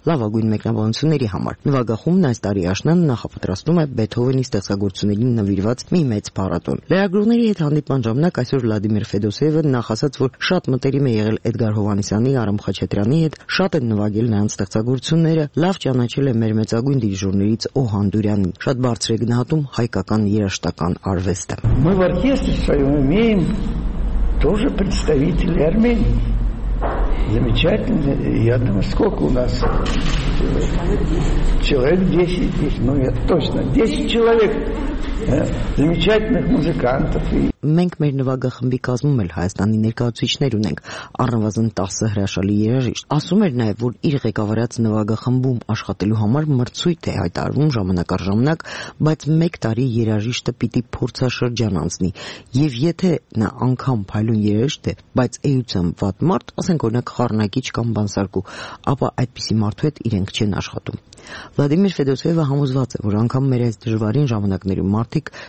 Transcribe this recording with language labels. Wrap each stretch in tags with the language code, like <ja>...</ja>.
<hy>լավագույն մեկնաբանությունների համար։ Նվագախումբն այս տարի աշնան նախապատրաստում է Բեթովենի ստեղծագործությունների նվիրված մի մեծ փառատոն։ Լրագրողների հետ հանդիպման ժամանակ այսօր Վլադիմիր Ֆեդոսեևը նախասաց, որ շատ մտերիմ է եղել Էդգար Հովանեսյանի, Արամ Խաչատրյանի հետ, շատ են նվագել նրանց ստեղծագործությունները, լավ ճանաչել է մեր մեծագույն դիրիժորներից Օհանդուրյանին, շատ բարձր է գնահատում հայկական երաժշտական արվեստը։</hy> <ru>Мы в оркестре своём имеем тоже представителей Армении. Замечательно. Я думаю, сколько у нас человек? 10 здесь. Ну, я точно. 10 человек замечательных музыкантов.</ru> <hy>Մենք մեր նվագախմբի կազմում էլ Հայաստանի ներկայացուցիչներ ունենք, առնվազն 10 հրաշալի երաժիշտ։ Ասում էր նաև, որ իր ղեկավարած նվագախմբում աշխատելու համար մրցույթ է հայտարվում ժամանակ առ ժամանակ, բայց մեկ տարի երաժիշտը պիտի փորձաշրջան անցնի, եւ եթե նա անգամ փայլուն երաժիշտ է, բայց էությամբ վատ մարդ, ասենք օրինակ խառնակիչ կամ բանսարկու, ապա այդպիսի մարդու հետ իրենք չեն աշխատում։ Վլադիմիր Ֆեդոսեևը համոզված է, որ անգամ մեր այս դժվարին ժամանակներում մարդիկ</hy>